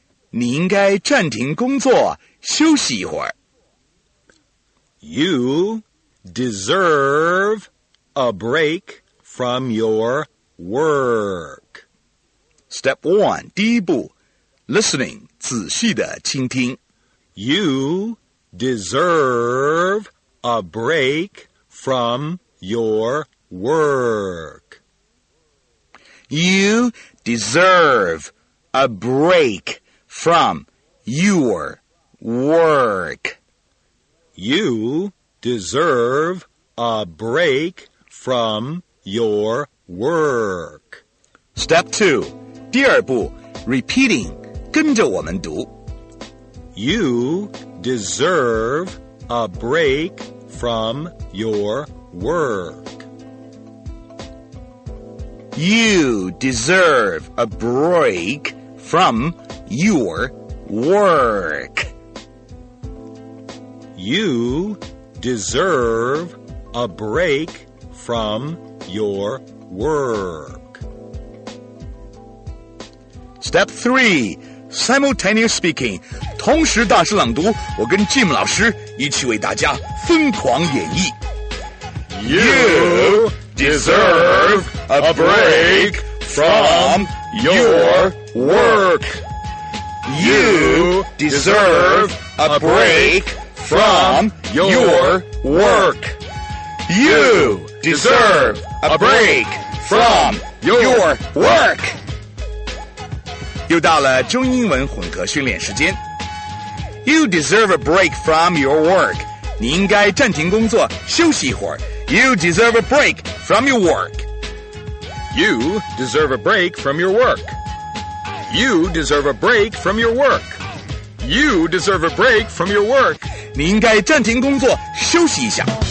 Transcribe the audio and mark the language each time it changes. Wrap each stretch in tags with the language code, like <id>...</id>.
<zh>你应该暂停工作，休息一会儿。</zh> <en>You deserve a break from your work. Step one,</en> <zh>第一步,</zh> <en>listening,</en> <zh>仔细地倾听。</zh> <en>You deserve a break from your work. You deserve a break from your work. You deserve a break from your work. Step two,</en> <zh>第二步,</zh> <en>repeating,</en> <zh>跟着我们读。</zh> <en>You deserve a break from your work. You deserve a break from your work. You deserve a break from your work. Step three, simultaneous speaking,</en> <zh>同时大声朗读，我跟 Jim 老师一起为大家疯狂演绎。</zh> <en>You deserve a break from your work. You deserve a break from your work. You deserve a break from your work.</en> <zh>又到了中英文混合训练时间。</zh> <en>You deserve a break from your work.</en> <zh>你应该暂停工作，休息一会儿。</zh> <en>You deserve a break from your work. You deserve a break from your work. You deserve a break from your work. You deserve a break from your work.</en> <zh>你应该暂停工作，休息一下。</zh>